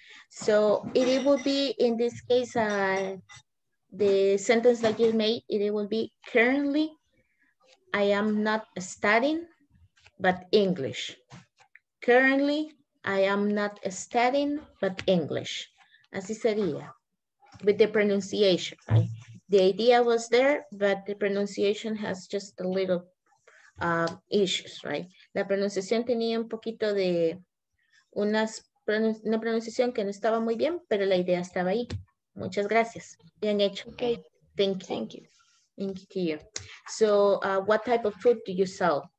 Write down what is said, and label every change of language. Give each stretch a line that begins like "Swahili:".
English: So it would be in this case, the sentence that you made, it would be currently I am not studying, but English. Currently, I am not studying, but English.
Spanish: Así sería,
English: with the pronunciation, right? The idea was there, but the pronunciation has just a little issues, right?
Spanish: La pronunciación tenía un poquito de una pronunciación que no estaba muy bien, pero la idea estaba ahí. Muchas gracias. Bien hecho.
English: Okay. Thank you. Thank you. Thank you. So, what type of food do you sell?